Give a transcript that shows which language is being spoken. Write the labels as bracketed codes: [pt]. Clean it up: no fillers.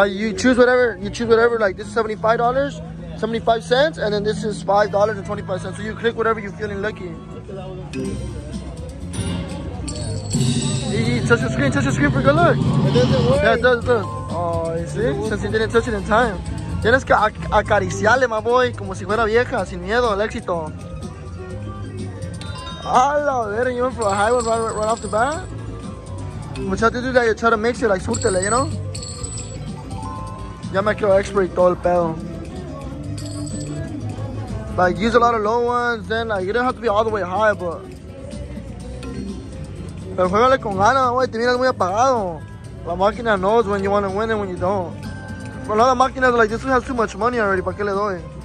[en] Now you choose whatever, like this is $75, 75 cents, and then this is $5.25. So you click whatever you're feeling lucky. Easy, touch the screen for good luck. It doesn't work. Yeah, it does. Oh, you see, since you didn't touch it in time. [es] Tienes que acariciarle, [en] my boy, [es] como si fuera vieja, sin miedo al éxito. [en] Hello, there, you went for a high one right off the bat. What you have to do is you try to mix it, like, [es] surtele, [en] you know? [es] Ya me quiero expert y todo el pedo. [en] Like, use a lot of low ones, then, like, you don't have to be all the way high, but. [es] Pero juegale con ganas, wey, te miras muy apagado. La máquina [en] knows when you want to win and when you don't. Well, now the máquina is like, this one has too much money already, [es] ¿para qué le doy?